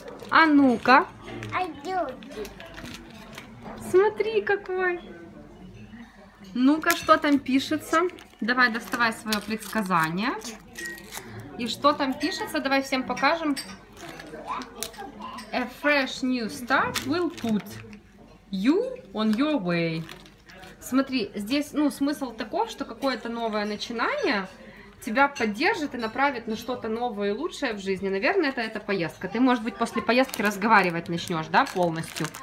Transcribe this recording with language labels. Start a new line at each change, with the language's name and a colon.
Russian: А ну-ка. Смотри, какой. Ну-ка, что там пишется? Давай, доставай свое предсказание. И что там пишется? Давай всем покажем.
English: A fresh new start will put you on your way.
Russian: Смотри, здесь, ну, смысл таков, что какое-то новое начинание тебя поддержит и направит на что-то новое и лучшее в жизни. Наверное, это эта поездка. Ты, может быть, после поездки разговаривать начнешь, да, полностью?